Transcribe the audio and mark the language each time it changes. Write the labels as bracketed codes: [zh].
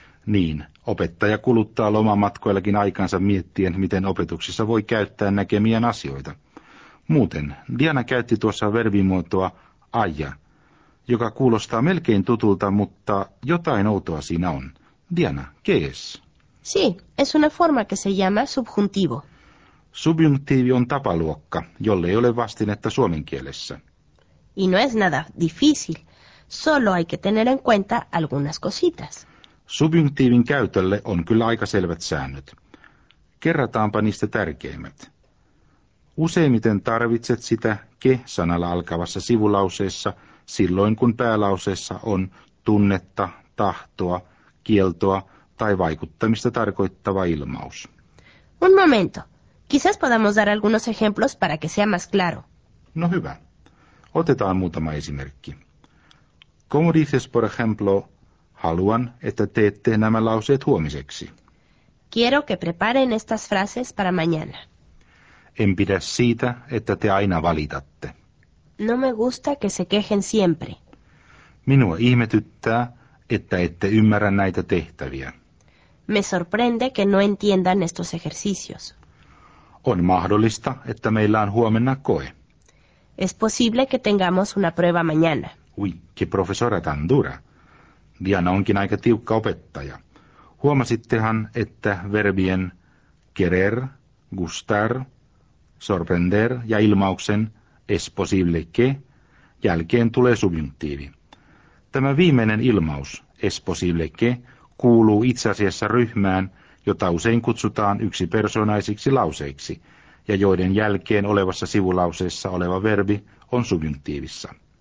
[fi] Niin, opettaja kuluttaa lomamatkoillakin aikansa miettien, miten opetuksessa voi käyttää näkemiään asioita. Muuten, Diana käytti tuossa verbimuotoa aja, joka kuulostaa melkein tutulta, mutta jotain outoa siinä on. [es] Diana, ¿qué es? Sí, es una forma que se llama subjuntivo. [fi] Subjunktiivi on tapaluokka, jolle ei ole vastinetta suomen kielessä. [es] Y no es nada difícil, solo hay que tener en cuenta algunas cositas. [fi] Subjunktiivin käytölle on kyllä aika selvät säännöt. Kerrataanpa niistä tärkeimmät. Useimmiten tarvitset sitä ke-sanalla alkavassa sivulauseessa silloin, kun päälauseessa on tunnetta, tahtoa, kieltoa tai vaikuttamista tarkoittava ilmaus. [es] Un momento. Quizás podamos dar algunos ejemplos para que sea más claro. [fi] No hyvä. Otetaan muutama esimerkki. [es] ¿Cómo dices, por ejemplo, [fi] haluan, että teette nämä lauseet huomiseksi? [es] Quiero que preparen estas frases para mañana. [fi] En pidä siitä, että te aina valitatte. [es] No me gusta que se quejen siempre. [fi] Minua ihmetyttää, että ette ymmärrä näitä tehtäviä. [es] Me sorprende que no entiendan estos ejercicios. [fi] On mahdollista, että meillä on huomenna koe. [es] Es posible que tengamos una prueba mañana. Uy, qué profesora tan dura. [fi] Diana onkin aika tiukka opettaja. Huomasittehan, että verbien querer, gustar, sorprender ja ilmauksen [es] es posible que [fi] jälkeen tulee subjunktiivi. Tämä viimeinen ilmaus, [es] es posible que, [fi] kuuluu itse asiassa ryhmään, jota usein kutsutaan yksipersonaisiksi lauseiksi, ja joiden jälkeen olevassa sivulauseessa oleva verbi on subjunktiivissa.